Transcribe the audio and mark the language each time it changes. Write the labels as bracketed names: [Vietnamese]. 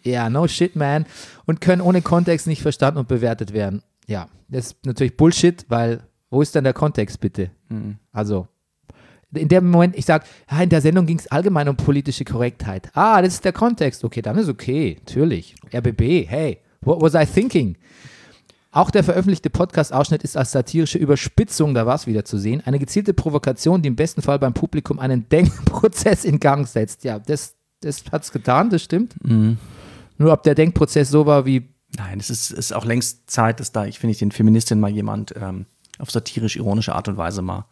[English] Yeah, no shit, man. [German] Und können ohne Kontext nicht verstanden und bewertet werden. Ja, das ist natürlich Bullshit, weil wo ist denn der Kontext, bitte? Mhm. Also, in dem Moment, ich sage, in der Sendung ging es allgemein um politische Korrektheit. Ah, das ist der Kontext. Okay, dann ist okay, natürlich. [English] RBB, hey, what was I thinking? [German] Auch der veröffentlichte Podcast-Ausschnitt ist als satirische Überspitzung, da war es wieder zu sehen, eine gezielte Provokation, die im besten Fall beim Publikum einen Denkprozess in Gang setzt. Ja, das hat es getan, das stimmt. Mhm. Nur ob der Denkprozess so war wie... Nein, es ist auch längst Zeit, dass da, ich finde, ich den Feministinnen mal jemand auf satirisch-ironische Art und Weise mal...